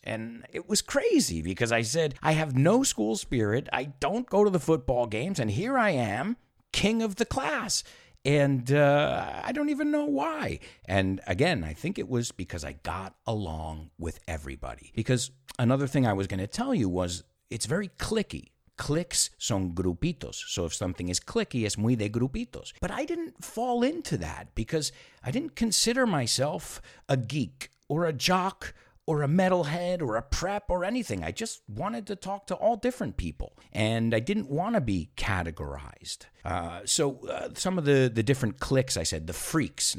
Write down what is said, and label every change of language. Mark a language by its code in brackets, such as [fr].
[en] And it was crazy because I said, I have no school spirit, I don't go to the football games, and here I am, king of the class. And I don't even know why. And again, I think it was because I got along with everybody. Because another thing I was going to tell you was it's very cliquey. [es] Cliques son grupitos. [en] So if something is cliquey, [es] es muy de grupitos. [en] But I didn't fall into that because I didn't consider myself a geek or a jock or a metalhead or a prep or anything. I just wanted to talk to all different people. And I didn't want to be categorized. Some of the different cliques, I said, the freaks.